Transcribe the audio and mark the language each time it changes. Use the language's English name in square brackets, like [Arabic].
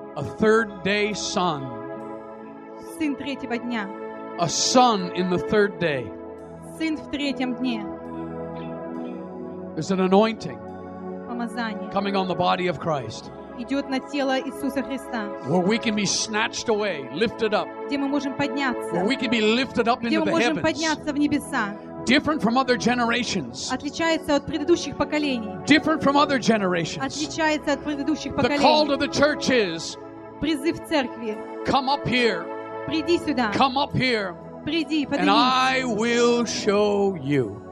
[English] A third day son. [Russian] Сын третьего дня. [English] A son in the third day. [Russian] Сын в третьем дне. [English] There's an anointing. [Russian] Помазание. [English] Coming on the body of Christ. [Russian] идет на тело Иисуса Христа. [English] Where we can be snatched away, lifted up. [Russian] Где мы можем подняться. [English] Where we can be lifted up into the heavens. [Russian] Где мы можем подняться в небеса. [English] Different from other generations. [Russian] Отличается от предыдущих поколений. [English] Different from other generations. [Russian] Отличается от предыдущих поколений. [English] The call to the church is. [Russian] Призыв церкви. [English] Come up here. [Russian] Приди сюда. [English] Come up here. [Russian] Приди, поднимись. [English] And I will show you.